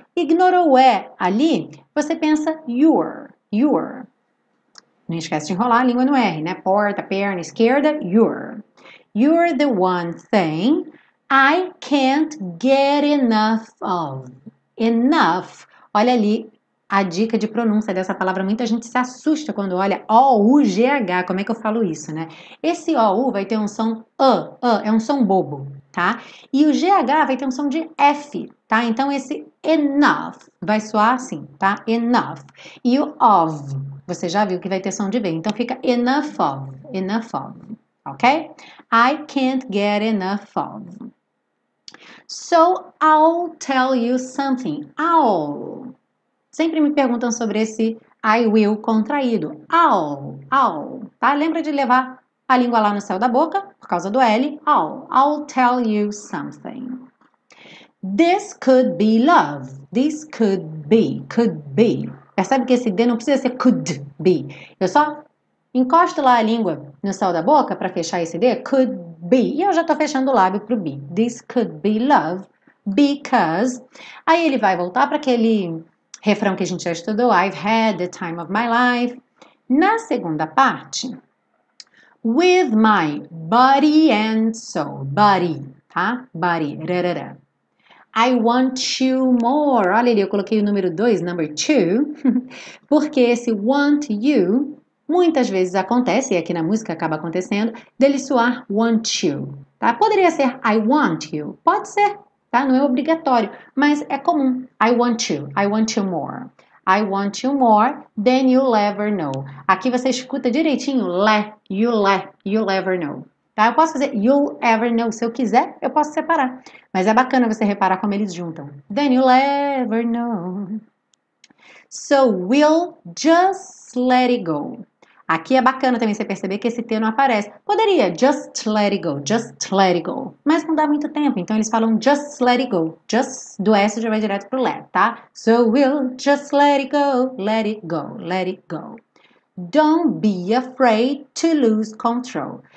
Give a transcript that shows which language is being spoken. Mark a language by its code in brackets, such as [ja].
[pt] Ignora o E ali, você pensa you're. Não esquece de enrolar a língua no R, né? Porta, perna, esquerda, you're. [en] You're the one thing I can't get enough of. [pt] Enough, olha ali. A dica de pronúncia dessa palavra, muita gente se assusta quando olha O-U-G-H, como é que eu falo isso, né? Esse O-U vai ter um som é um som bobo, tá? E o G-H vai ter um som de F, tá? Então, esse enough vai soar assim, tá? Enough. E o of, você já viu que vai ter som de V, então fica enough of, ok? [en] I can't get enough of. So, I'll tell you something. I'll... [pt] Sempre me perguntam sobre esse I will contraído. I'll, tá? Lembra de levar a língua lá no céu da boca, por causa do L. [en] I'll tell you something. This could be love. This could be. [pt] Percebe que esse D não precisa ser could be. Eu só encosto lá a língua no céu da boca para fechar esse D, [en] could be. [pt] E eu já tô fechando o lábio pro be. [en] This could be love because... [pt] Aí ele vai voltar para aquele... refrão que a gente já estudou, [en] I've had the time of my life. [pt] Na segunda parte, [en] with my body and soul, [pt] body, tá? [en] Body, rarara. I want you more. [pt] Olha ali, eu coloquei o número 2, number 2, porque esse want you, muitas vezes acontece, e aqui na música acaba acontecendo, dele soar want you, tá? Poderia ser I want you, pode ser. Tá? Não é obrigatório, mas é comum. [en] I want you more. I want you more than you'll ever know. [pt] Aqui você escuta direitinho, [en] you'll ever know. [pt] Tá? Eu posso fazer [en] you'll ever know. [pt] Se eu quiser, eu posso separar. Mas é bacana você reparar como eles juntam. [en] Then you'll ever know. So, we'll just let it go. [pt] Aqui é bacana também você perceber que esse T não aparece. Poderia, [en] just let it go, [pt] mas não dá muito tempo. Então eles falam [en] just let it go, [pt] just do S já vai direto pro let, tá? [en] So we'll just let it go, let it go. Don't be afraid to lose control.